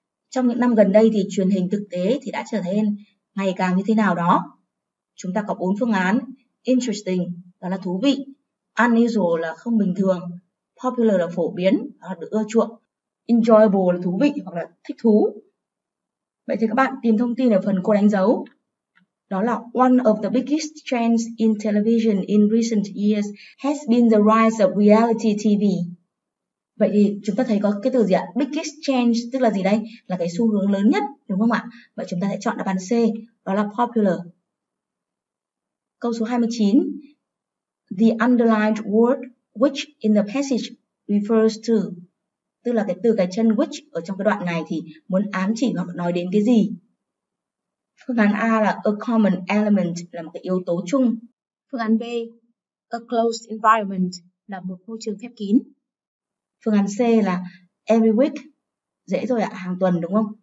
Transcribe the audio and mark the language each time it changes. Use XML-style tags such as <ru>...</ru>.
<vi>Trong những năm gần đây thì truyền hình thực tế thì đã trở nên ngày càng như thế nào đó? Chúng ta có 4 phương án. Interesting, đó là thú vị. Unusual là không bình thường. Popular là phổ biến, đó là được ưa chuộng. Enjoyable là thú vị hoặc là thích thú. Vậy thì các bạn tìm thông tin ở phần cô đánh dấu. Đó là</vi> <en>one of the biggest trends in television in recent years has been the rise of reality TV.</en> <vi>Vậy thì chúng ta thấy có cái từ gì ạ? Biggest change tức là gì đây? Là cái xu hướng lớn nhất, đúng không ạ? Vậy chúng ta sẽ chọn đáp án C, đó là popular. Câu số 29.</vi> <en>The underlined word which in the passage refers to.</en> <vi>Tức là cái từ cái chân which ở trong cái đoạn này thì muốn ám chỉ hoặc nói đến cái gì? Phương án A là</vi> <en>a common element</en> <vi>là một cái yếu tố chung. Phương án B,</vi> <en>a closed environment</en> <vi>là một môi trường khép kín. Phương án C là</vi> <en>every week,</en> <vi>dễ rồi ạ, hàng tuần đúng không?</vi>